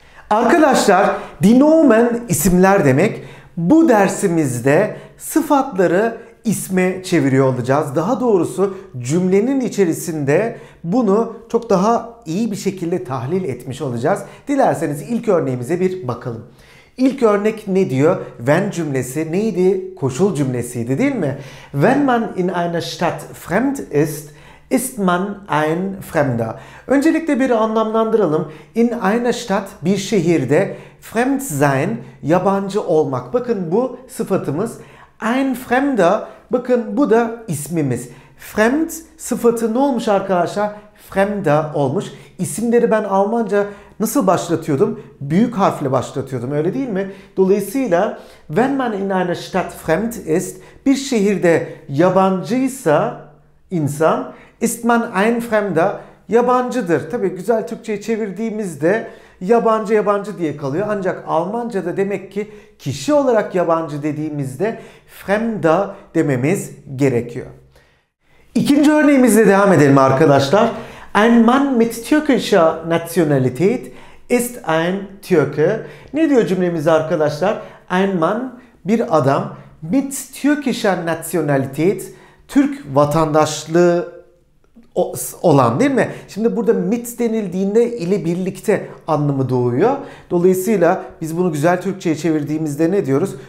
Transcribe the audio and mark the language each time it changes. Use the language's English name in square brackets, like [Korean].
[Turkish] Arkadaşlar, [German] Die Nomen [Turkish] isimler demek. Bu dersimizde sıfatları isme çeviriyor olacağız. Daha doğrusu cümlenin içerisinde bunu çok daha iyi bir şekilde tahlil etmiş olacağız. Dilerseniz ilk örneğimize bir bakalım. İlk örnek ne diyor? Wenn cümlesi neydi? Koşul cümlesiydi değil mi? [German] Wenn man in einer Stadt fremd ist, ist man ein Fremder. [Turkish] Öncelikle bir anlamlandıralım. [German] In einer Stadt, [Turkish] bir şehirde, [German] fremd sein, [Turkish] yabancı olmak. Bakın bu sıfatımız. [German] Ein Fremder, [Turkish] bakın bu da ismimiz. Fremd sıfatı ne olmuş arkadaşlar? Fremder olmuş. İsimleri ben Almanca nasıl başlatıyordum? Büyük harfle başlatıyordum, öyle değil mi? [German] Dolayısıyla wenn man in einer Stadt fremd ist, [Turkish] bir şehirde yabancıysa insan, [German] ist man ein Fremder, [Turkish] yabancıdır. Tabii güzel Türkçe'ye çevirdiğimizde yabancı yabancı diye kalıyor. Ancak Almanca'da demek ki kişi olarak yabancı dediğimizde Fremder dememiz gerekiyor. İkinci örneğimizle devam edelim arkadaşlar. [German] Ein Mann mit türkischer Nationalität ist ein Türke. [Turkish] Ne diyor cümlemiz arkadaşlar? [German] Ein Mann, [Turkish] bir adam, [German] mit türkischer Nationalität, [Turkish] Türk vatandaşlığı olan değil mi? Şimdi burada mit denildiğinde ile birlikte anlamı doğuyor. Dolayısıyla biz bunu güzel Türkçe'ye çevirdiğimizde ne diyoruz?